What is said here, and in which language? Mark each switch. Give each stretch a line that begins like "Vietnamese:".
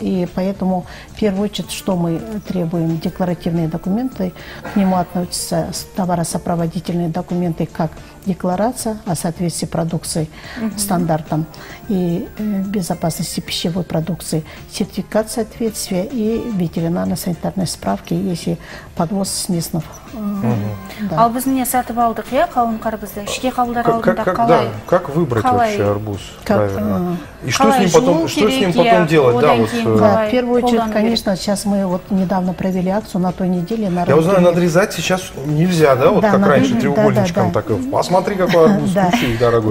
Russian: И поэтому в первую очередь, что мы требуем, декларативные документы, к нему относятся товаросопроводительные документы, как декларация о соответствии продукции стандартам и безопасности пищевой продукции, сертификат соответствия и ветеринарно-санитарные справки, если подвоз с местных.
Kazakh: Ал біздің не сатып алдық, я қауын қарбызды, ішке қабылдар алдында қалай?
Russian: Да, как выбрать вообще арбуз правильно? И что с ним потом, делать? Да, в первую очередь, конечно, сейчас мы вот недавно провели акцию на той неделе. Я узнаю, надрезать сейчас нельзя, да, вот как раньше треугольничком так. Посмотри, какой арбуз вкусный, дорогой.